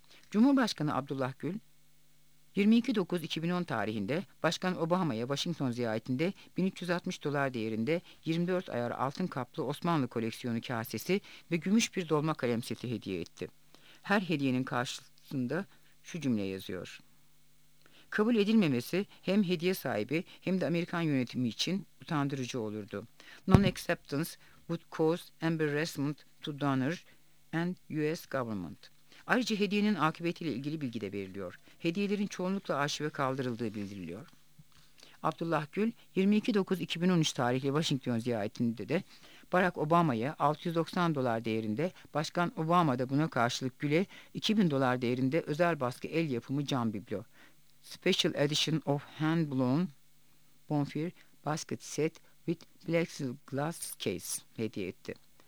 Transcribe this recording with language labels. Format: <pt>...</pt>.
<tr>Cumhurbaşkanı Abdullah Gül, 22.9.2010 tarihinde Başkan Obama'ya Washington ziyaretinde $1,360 değerinde 24 ayar altın kaplı Osmanlı koleksiyonu kasesi ve gümüş bir dolma kalem seti hediye etti. Her hediyenin karşısında şu cümle yazıyor: kabul edilmemesi hem hediye sahibi hem de Amerikan yönetimi için utandırıcı olurdu.</tr> <en>Non-acceptance would cause embarrassment to donor and U.S. government.</en> <tr>Ayrıca hediyenin akıbetiyle ilgili bilgi de veriliyor. Hediyelerin çoğunlukla arşive kaldırıldığı bildiriliyor. Abdullah Gül, 22.9.2013 tarihli Washington ziyaretinde de Barack Obama'ya $690 değerinde, Başkan Obama da buna karşılık Gül'e $2000 değerinde özel baskı el yapımı cam biblo,</tr> <en>Special Edition of Hand-Blown Bonfire Basket Set with Plexiglass Case</en> <tr>hediye etti.</tr>